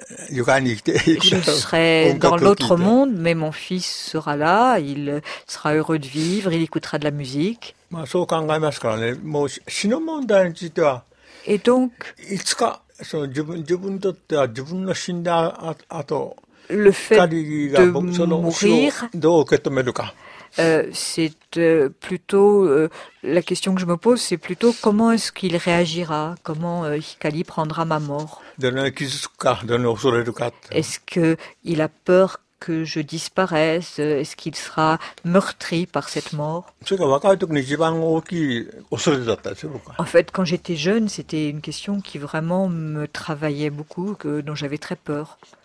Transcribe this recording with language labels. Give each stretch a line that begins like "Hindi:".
French: Je serai dans l'autre monde, mais mon fils sera là, il sera heureux de vivre, il écoutera de la musique.
Japanese: まあそう考えますからね。もう死の問題については。
French: Et donc,
Japanese: いつかその自分にとっては自分の死んだ後、
French: le fait de mourir,
Japanese: その死をどう受け止めるか。
French: C'est plutôt la question que je me pose, c'est plutôt comment est-ce qu'il réagira, comment Hikari prendra ma mort. De ne pas être capable de nous sauver du cas. Est-ce qu'il a peur que je disparaisse? Est-ce qu'il sera meurtri par cette mort? En fait, quand j'étais jeune, c'était une question qui vraiment me travaillait beaucoup, dont j'avais très peur.